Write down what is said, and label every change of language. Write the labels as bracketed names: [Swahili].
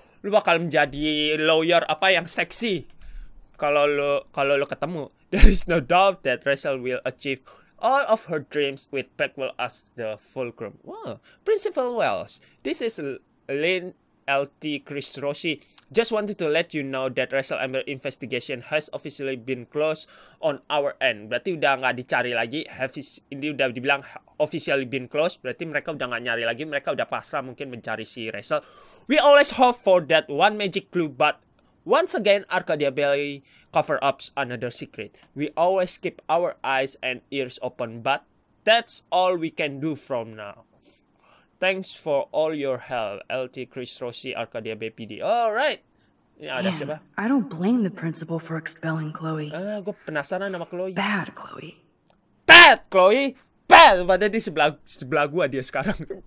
[Indonesian] Lu bakal menjadi lawyer apa yang seksi kalau lu ketemu. [English] There is no doubt that Rachel will achieve all of her dreams with Blackwell as the fulcrum. Wow. Principal Wells, this is Lynn LT Chris Rossi. Just wanted to let you know that Rachel Amber investigation has officially been closed on our end. [Indonesian] Berarti udah nggak dicari lagi. Ini udah dibilang [English] officially been closed. [Indonesian] Berarti mereka udah nggak nyari lagi. Mereka udah pasrah mungkin mencari si Rachel. [English] We always hope for that one magic clue, but once again, Arcadia Bay cover up another secret. We always keep our eyes and ears open, but that's all we can do from now. Thanks for all your help, LT Chris Rossi, Arcadia Bay PD. All right. [Indonesian] Ya, ada siapa? [English] I don't blame the principal for expelling Chloe. [Indonesian] Gue penasaran sama Chloe. [English] Bad Chloe. Bad Chloe? Pat! [Indonesian] Padahal dia sebelah gua dia sekarang.